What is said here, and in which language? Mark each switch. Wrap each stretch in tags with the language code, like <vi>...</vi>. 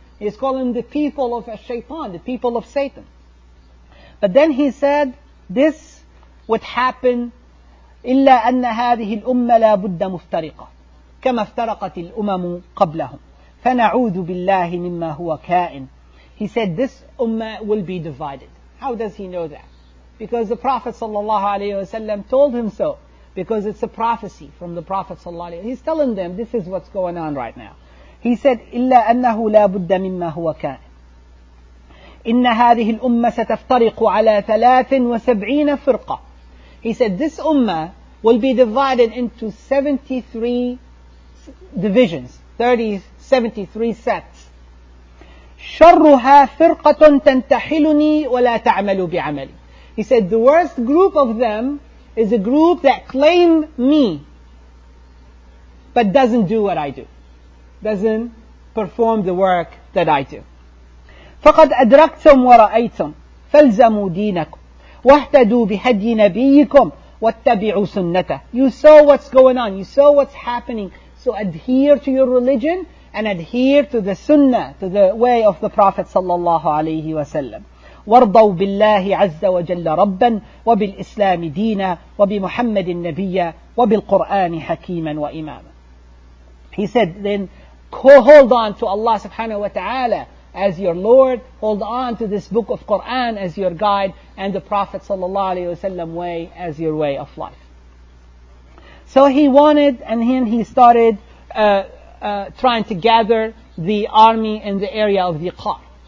<en>He is calling the people of al-shaytan, the people of Satan. But then he said, this would happen</en> <ar>إلا أن هذه الأمة لا بد مفترقة كما افترقت الأمم قبلهم فنعود بالله مما هو كائن.</ar> <en>He said this ummah will be divided. How does he know that? Because the Prophet sallallahu alaihi wasallam told him so. Because it's a prophecy from the Prophet sallallahu alaihi wasallam. He's telling them this is what's going on right now. He said</en> <ar>إلا أنه لا بد مما هو كائن. إن هذه الأمة ستفترق على 73 فرقة.</ar> <en>He said this ummah will be divided into 73 divisions, 73 sets.</en> <ar>شرها فرقة تنتحلني ولا تعمل بعملي.</ar> <en>He said the worst group of them is a group that claim me but doesn't do what I do, doesn't perform the work that I do.</en> <ar>فقد أدركتم ورأيتم فالزموا دينكم واهتدوا بهدي نبيكم واتبعوا سنته.</ar> <en>You saw what's going on, you saw what's happening, so adhere to your religion and adhere to the sunnah, to the way of the Prophet sallallahu alayhi wa sallam.</en> <ar>وارضوا بالله عز وجل ربا وبالإسلام دينا وبمحمد النبي وبالقرآن حكيما وإماما.</ar> <en>He said then hold on to Allah subhanahu wa ta'ala as your Lord, hold on to this book of Quran as your guide, and the Prophet sallallahu alayhi wa sallam way as your way of life. So he wanted, and then he started trying to gather the army in the area of the Qar.</en>